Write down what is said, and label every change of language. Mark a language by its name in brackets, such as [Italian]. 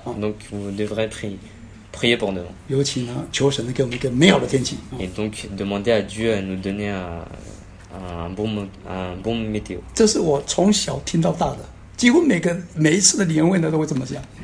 [French] donc vous devrez prier pour demain. [Chinese] 尤其呢,求神给我们一个美好的天气, [French] et donc demander à Dieu de nous donner un bon météo. [Chinese] 这是我从小听到大的,几乎每一次的年会呢,都会这么讲。